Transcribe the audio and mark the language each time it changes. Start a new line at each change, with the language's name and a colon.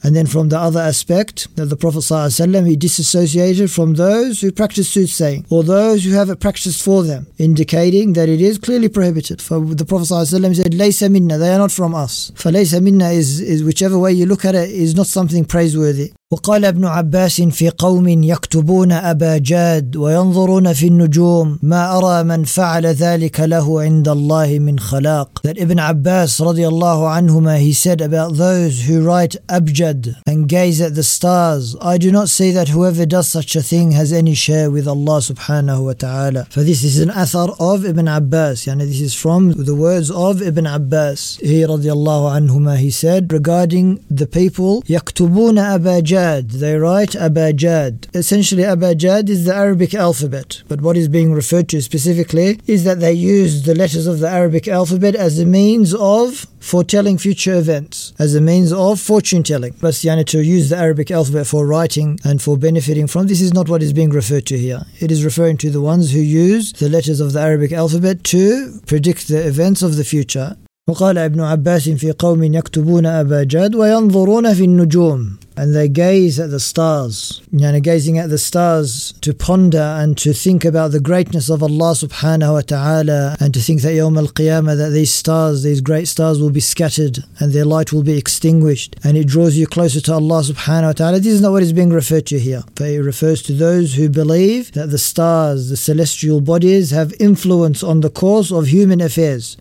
English: And then from the other aspect, that the Prophet ﷺ, he disassociated from those who practice soothsaying, or those who have it practiced for them, indicating that it is clearly prohibited. For the Prophet ﷺ said,
Arabic: لَيْسَ مِنَّا,
English: they are not from us. For لَيْسَ مِنَّا is whichever way you look at it, is not something praiseworthy.
Arabic: وقال ابن عباس في قوم يكتبون أبا جاد وينظرون في النجوم ما أرى من فعل ذلك له عند الله من خلاق.
English: That Ibn Abbas رضي الله عنهما, he said about those who write Abjad and gaze at the stars, I do not see that whoever does such a thing has any share with Allah سبحانه وتعالى. For this is an athar of Ibn Abbas. This is from the words of Ibn Abbas. He رضي الله عنهما, he said regarding the people
Arabic: يكتبون أبا جاد,
English: they write Abajad. Essentially, Abajad is the Arabic alphabet. But what is being referred to specifically is that they use the letters of the Arabic alphabet as a means of foretelling future events, as a means of fortune telling. But to use the Arabic alphabet for writing and for benefiting from, this is not what is being referred to here. It is referring to the ones who use the letters of the Arabic alphabet to predict the events of the future.
Arabic: وقال ابن عباس في قوم يكتبون أبا جاد وينظرون في النجوم.
English: And they gaze at the stars. Gazing at the stars to ponder and to think about the greatness of Allah subhanahu wa ta'ala, and to think that yawm al-qiyamah, that these stars, these great stars will be scattered and their light will be extinguished, and it draws you closer to Allah subhanahu wa ta'ala. This is not what is being referred to here. But it refers to those who believe that the stars, the celestial bodies, have influence on the course of human affairs.